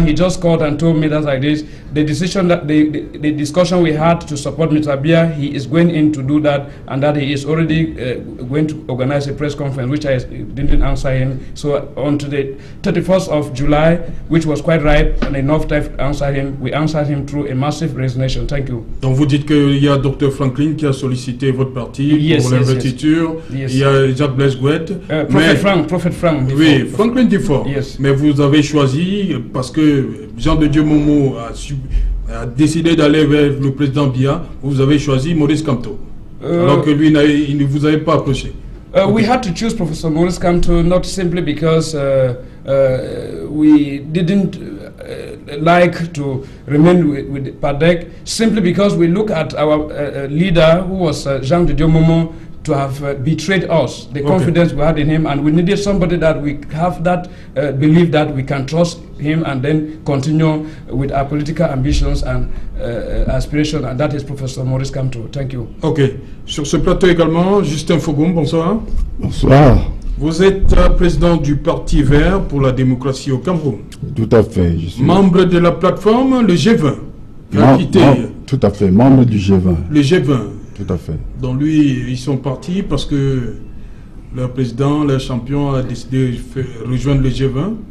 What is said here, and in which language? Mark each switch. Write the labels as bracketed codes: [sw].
[en] He just called and told me that like this. The decision that the discussion we had to support Mr. Biya, he is going in to do that, and that he is already going to organize a press conference, which I didn't answer him. So on to the 31st of July, which was quite ripe, and enough time to answer him, we answered him through a massive resignation. Thank you. [fr] Donc vous dites qu'il y a Dr. Franklin qui a sollicité votre parti pour l'investiture. Il y a Jacques Blaise Gouette. Prophète Frank. Oui, Franklin Dufort. [en] Yes. [fr] Mais vous avez choisi parce que Jean de Dieu Momo a décidé d'aller vers le président Biya. Vous avez choisi Maurice Kamto. Alors que lui, il ne vous avait pas approché. [en] We had to choose Professor Maurice Kamto not simply because we didn't like to remain with PADEC, simply because we look at our leader who was Jean de Dieu Momo to have betrayed us, the confidence we had in him, and we needed somebody that we have that belief that we can trust him and then continue with our political ambitions and aspiration, and that is Professor Maurice Kamto. Thank you. [fr] Okay. Sur ce plateau également, Justin Fogum, bonsoir. Bonsoir. Vous êtes président du Parti Vert pour la démocratie au Cameroun. Tout à fait, je suis. Membre de la plateforme, le G20. Tout à fait, membre du G20. Le G20. Tout à fait. Donc lui, ils sont partis parce que leur président, leur champion a décidé de rejoindre le G20.